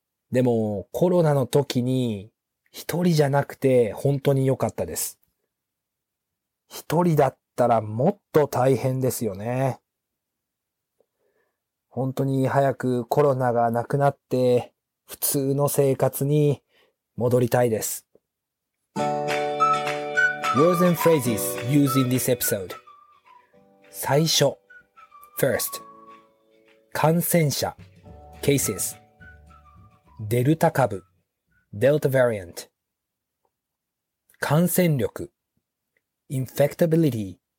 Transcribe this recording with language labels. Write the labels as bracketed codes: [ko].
[ja] でもコロナの時に、一人じゃなくて本当に良かったです。一人だったらもっと大変ですよね。本当に早くコロナがなくなって普通の生活に戻りたいです。 [en] Words and phrases used in this episode. 最初 First 感染者 Cases デルタ株Delta variant 感染力 infectability